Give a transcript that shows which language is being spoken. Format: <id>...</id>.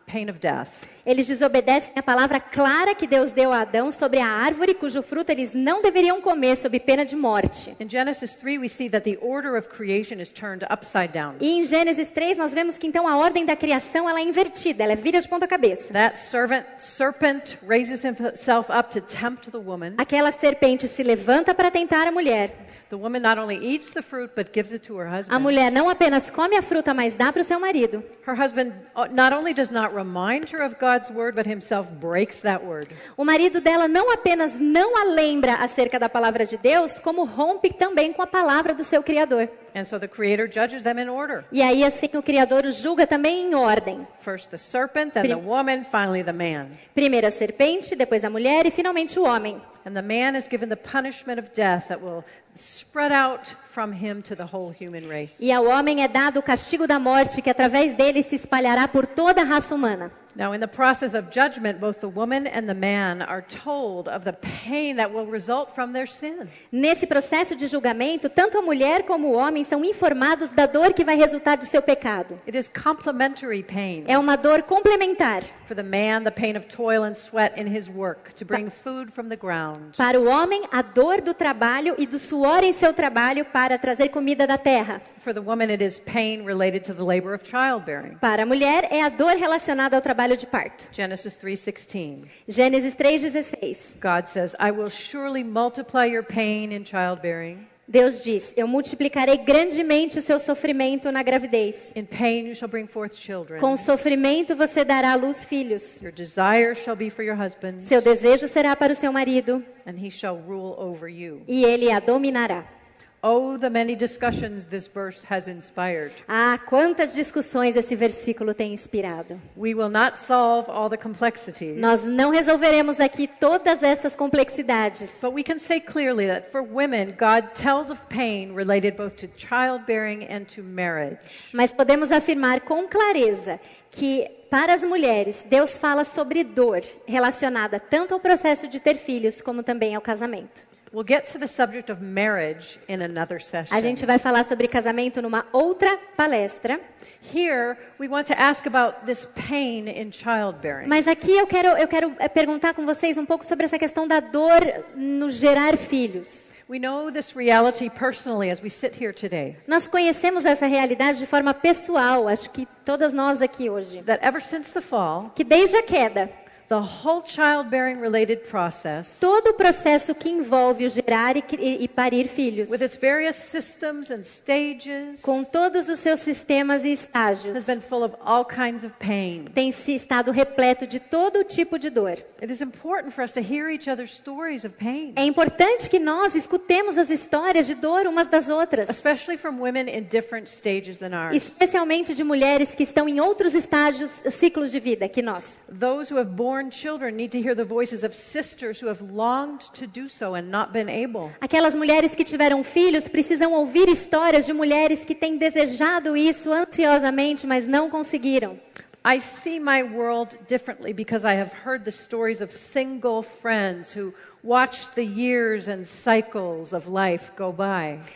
<en>pain of death.</en> <pt>Eles desobedecem a palavra clara que Deus deu a Adão sobre a árvore cujo fruto eles não deveriam comer sob pena de morte.</pt> <en>In Genesis 3 we see that the order of creation is turned upside down.</en> <pt>E em Gênesis 3 nós vemos que então a ordem da criação ela é invertida, ela vira de ponta cabeça.</pt> <en>That serpent raises himself up to tempt the woman.</en> <pt>Aquela serpente se levanta para tentar a mulher.</pt> <en>The woman not only eats the fruit but gives it to her husband.</en> <pt>A mulher não apenas come a fruta, mas dá para o seu marido.</pt> <en>Her husband not only does not remind her of God's word but himself breaks that word.</en> <pt>O marido dela não apenas não a lembra acerca da palavra de Deus, como rompe também com a palavra do seu criador.</pt> <en>And so the creator judges them in order.</en> <pt>E aí assim o criador os julga também em ordem.</pt> <en>First the serpent, then the woman, finally the man.</en> <pt>Primeiro a serpente, depois a mulher e finalmente o homem.</pt> <en>And the man is given the punishment of death that will spread out from him to the whole human race.</en> <pt>E ao homem é dado o castigo da morte que através dele se espalhará por toda a raça humana.</pt> <en>Now in the process of judgment both the woman and the man are told of the pain that will result from their sin.</en> <pt>Nesse processo de julgamento, tanto a mulher como o homem são informados da dor que vai resultar do seu pecado.</pt> <en>It is complementary pain.</en> <pt>É uma dor complementar.</pt> <en>For the man, the pain of toil and sweat in his work to bring food from the ground.</en> <pt>Para o homem, a dor do trabalho e do suor em seu trabalho para trazer comida da terra.</pt> <en>For the woman it is pain related to the labor of childbearing.</en> <pt>Para a mulher é a dor relacionada ao trabalho de parto. Gênesis 3:16.</pt> <en>God says, I will surely multiply your pain in childbearing.</en> <pt>Deus diz, eu multiplicarei grandemente o seu sofrimento na gravidez.</pt> <en>In pain you shall bring forth children.</en> <pt>Com sofrimento você dará à luz filhos.</pt> <en>Your desire shall be for your husband.</en> <pt>Seu desejo será para o seu marido.</pt> <en>And he shall rule over you.</en> <pt>E ele a dominará.</pt> <en>Oh, the many discussions this verse has inspired.</en> <pt>Ah, quantas discussões esse versículo tem inspirado.</pt> <en>We will not solve all the complexities.</en> <pt>Nós não resolveremos aqui todas essas complexidades.</pt> <en>But we can say clearly that for women, God tells of pain related both to childbearing and to marriage.</en> <pt>Mas podemos afirmar com clareza que para as mulheres, Deus fala sobre dor relacionada tanto ao processo de ter filhos como também ao casamento.</pt> <en>We'll get to the subject of marriage in another session.</en> <pt>A gente vai falar sobre casamento numa outra palestra.</pt> <en>Here we want to ask about this pain in childbearing.</en> <pt>Mas aqui eu quero perguntar com vocês um pouco sobre essa questão da dor no gerar filhos.</pt> <en>We know this reality personally as we sit here today.</en> <pt>Nós conhecemos essa realidade de forma pessoal, acho que todas nós aqui hoje.</pt> <en>That ever since the fall,</en> <pt>que desde a queda,</pt> <en>the whole childbearing related process,</en> <pt>todo o processo que envolve o gerar e parir filhos,</pt> <en>with its various systems and stages,</en> <pt>com todos os seus sistemas e estágios,</pt> <en>has been full of all kinds of pain.</en> <pt>Tem se estado repleto de todo tipo de dor.</pt> <en>It is important for us to hear each other's stories of pain.</en> <pt>É importante que nós escutemos as histórias de dor umas das outras,</pt> <en>especially from women in different stages than ours.</en> <pt>Especialmente de mulheres que estão em outros estágios, ciclos de vida que nós.</pt> <en>Those who have born children need to hear the voices of sisters who have longed to do so and not been able.</en> <pt>Aquelas mulheres que tiveram filhos precisam ouvir histórias de mulheres que têm desejado isso ansiosamente, mas não conseguiram.</pt> <en>I see my world differently because I have heard the stories of single friends who watched the years and cycles of life go by.</en>